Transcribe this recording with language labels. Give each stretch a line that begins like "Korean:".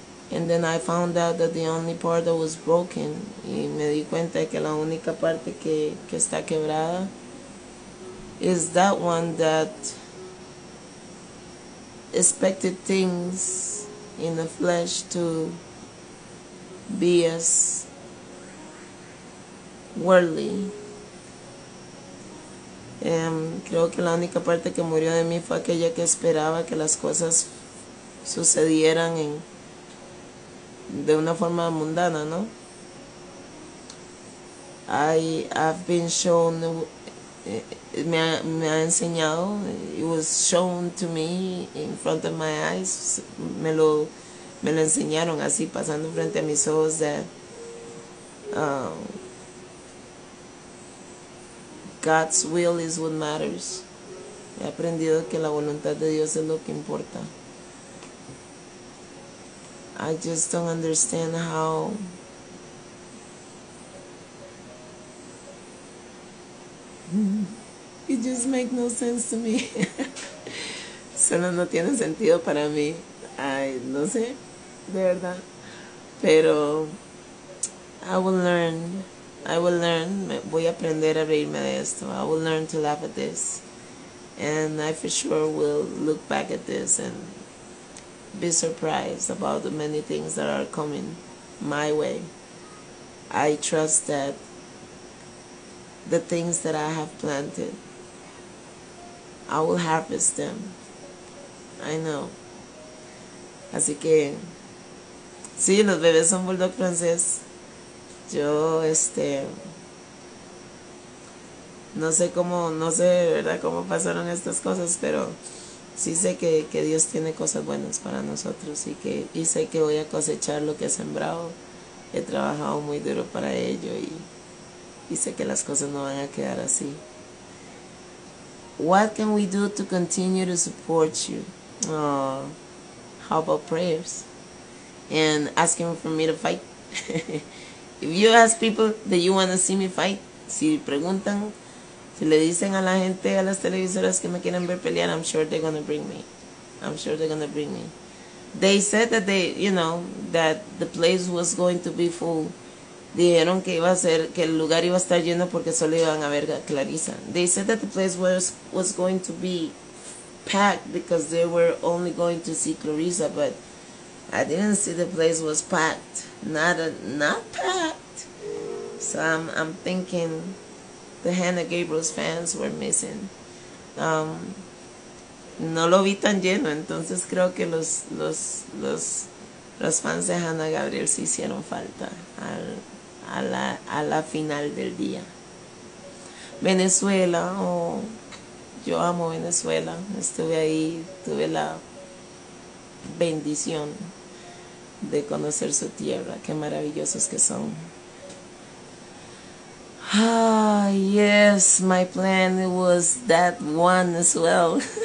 English: And then I found out that the only part that was broken,
Spanish: y me di cuenta que la única parte que está quebrada
English: is that one that expected things in the flesh to be as worldly.
Spanish: Creo que la única parte que murió de mí fue aquella que esperaba que las cosas sucedieran en de una forma mundana, ¿no?
English: I've been shown,
Spanish: me ha enseñado,
English: it was shown to me in front of my eyes,
Spanish: me lo enseñaron así pasando frente a mis ojos de
English: God's will is what matters.
Spanish: He aprendido que la voluntad de Dios es lo que importa.
English: I just don't understand how it just makes no sense to me.
Spanish: Solo no tiene sentido para mí. Ay, no sé, de verdad. Pero
English: I will learn,
Spanish: voy a aprender a reírme de esto.
English: I will learn to laugh at this. And I for sure will look back at this and be surprised about the many things that are coming my way. I trust that the things that I have planted, I will harvest them. I know.
Spanish: Así que, sí, los bebés son bulldog francés. Yo, no sé, ¿verdad?, cómo pasaron estas cosas, pero sí sé que Dios tiene cosas buenas para nosotros y sé que voy a cosechar lo que he sembrado. He trabajado muy duro para ello y sé que las cosas no van a quedar así.
English: What can we do to continue to support you? How about prayers? And asking for me to fight? If you ask people that you want to see me fight,
Spanish: si preguntan, si le dicen a la gente, a las televisoras que me quieren ver pelear,
English: I'm sure they're going to bring me. I'm sure they're going to bring me. They said that they, you know, that the place was going to be full.
Spanish: Dijeron que iba a ser, que el lugar iba a estar lleno porque solo iban a ver a Claressa.
English: They said that the place was going to be packed because they were only going to see Claressa, but I didn't see the place was packed. Not packed. So I'm thinking the Hanna Gabriels fans were missing.
Spanish: No lo vi tan lleno, entonces creo que los fans de Hanna Gabriels se hicieron falta a la final del día. Venezuela, yo amo Venezuela. Estuve ahí, tuve la bendición de conocer su tierra, qué maravillosos que son.
English: Ah, yes, my plan was that one as well.